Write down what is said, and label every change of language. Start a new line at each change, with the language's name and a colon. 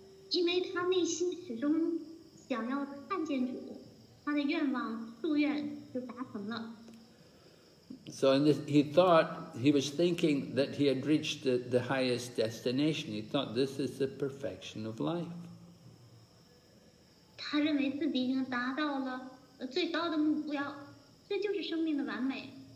Chinese: 因为他内心始终想要看见主，他的愿望夙愿就达成了。
English: So in this, he was thinking that he had reached the highest destination. He thought this is the perfection of life.
Chinese: 他认为自己已经达到了最高的目标，这就是生命的完美。